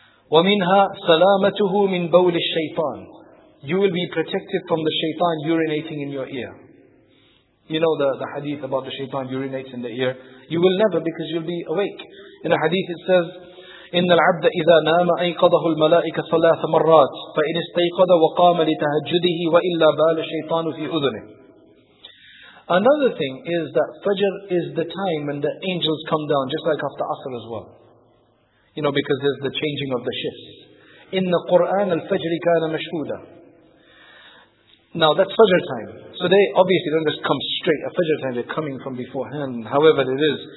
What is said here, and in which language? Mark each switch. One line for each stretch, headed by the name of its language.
Arabic: ومنها سلامته من بول الشيطان.
English: You will be protected from the shaitan urinating in your ear. You know the hadith about the shaitan urinates in the ear. You will never, because you'll be awake. In a hadith it says,
Arabic: إِنَّ الْعَبْدَ إِذَا نَامَ أَيْقَضَهُ الْمَلَائِكَةَ ثَلَاثَ مَرَّاتِ فَإِنْ اسْتَيْقَضَ وَقَامَ لِتَهَجُّدِهِ وَإِلَّا بَالَ الشَّيْطَانُ فِي أُذُنِهِ.
English: Another thing is that Fajr is the time when the angels come down, just like after Asr as well. You know, because there's the changing of the shifts.
Arabic: إِنَّ قُرْآنَ الْفَجْرِ كَانَ مَشْهُودًا.
English: Now that's Fajr time. So they obviously don't just come straight at Fajr time, they're coming from beforehand, however it is.